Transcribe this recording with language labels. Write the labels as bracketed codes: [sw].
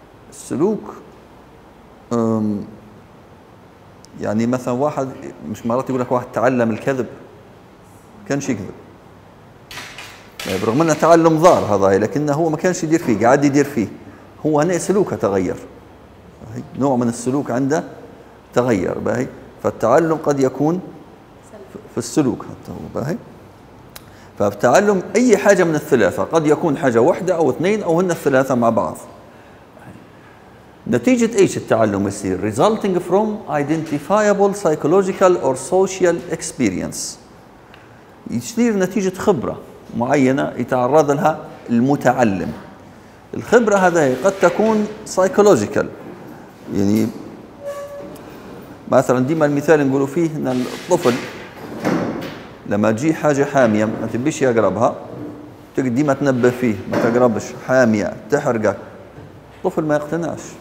[ar] السلوك يعني مثلا واحد، مش مرات يقول لك واحد تعلم الكذب، كانش يكذب، برغم انه تعلم ضار هذا، لكنه هو ما كانش يدير فيه، قاعد يدير فيه، هو سلوكه تغير، نوع من السلوك عنده تغير. باهي، فالتعلم قد يكون في السلوك حتى. باهي، فالتعلم اي حاجه من الثلاثه، قد يكون حاجه واحده او اثنين او هن الثلاثه مع بعض. [en] نتيجة ايش التعلم يصير؟ resulting from identifiable psychological or social experience. [ar] يصير نتيجة خبرة معينة يتعرض لها المتعلم. الخبرة هذه قد تكون psychological، يعني مثلا ديما المثال نقولوا فيه ان الطفل لما تجي حاجة حامية ما تبيش يقربها، ديما تنبه فيه ما تقربش، حامية تحرقك، الطفل ما يقتنعش.